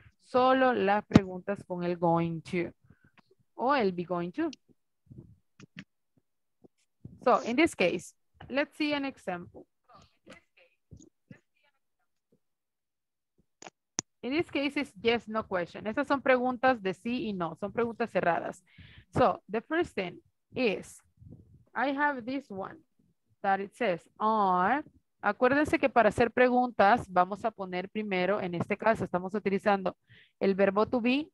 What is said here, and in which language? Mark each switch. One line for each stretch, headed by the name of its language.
Spanish: Solo las preguntas con el going to, o el be going to.
English: So in this case, let's see an example. In this case, it's yes, no question.
Spanish: Esas son preguntas de sí y no. Son preguntas cerradas.
English: So the first thing is, I have this one that it says, are.
Spanish: Acuérdense que para hacer preguntas, vamos a poner primero, en este caso estamos utilizando el verbo to be.